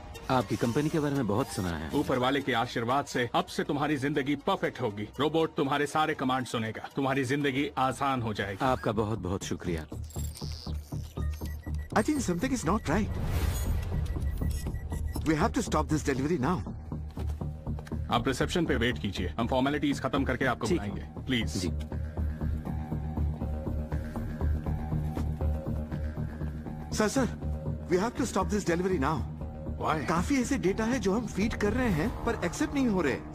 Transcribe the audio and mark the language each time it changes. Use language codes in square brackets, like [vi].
[hi] आपकी कंपनी के बारे में बहुत सुना है। ऊपर वाले के आशीर्वाद से अब से तुम्हारी जिंदगी परफेक्ट होगी। रोबोट तुम्हारे सारे कमांड सुनेगा, तुम्हारी जिंदगी आसान हो जाएगी। आपका बहुत बहुत शुक्रिया। [en] I think something is not right. We have to stop this delivery now. [hi] आप रिसेप्शन पे वेट कीजिए, हम फॉर्मेलिटीज खत्म करके आपको बुलाएंगे। Please ji. Sir sir, [en] We have to stop this delivery now. [hi] काफी ऐसे डेटा है जो हम फीड कर रहे हैं पर एक्सेप्ट नहीं हो रहे।